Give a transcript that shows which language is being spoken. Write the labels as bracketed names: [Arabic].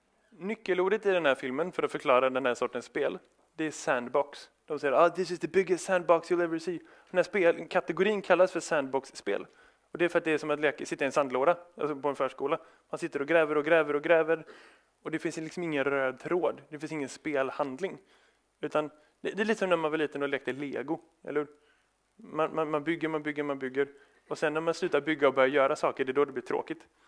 [Swedish] Nyckelordet i den här filmen för att förklara den här sortens spel, det är sandbox. De säger, [English] oh, this is the biggest sandbox you'll ever see. [Swedish] Den här kategorin kallas för sandbox-spel. Och det är för att det är som att sitta i en sandlåda, alltså på en förskola. Man sitter och gräver och gräver och gräver. Och det finns liksom ingen röd tråd. Det finns ingen spelhandling. Utan det är lite som när man var liten och lekte Lego. Eller man bygger. Och sen när man slutar bygga och börjar göra saker, det är då det blir tråkigt.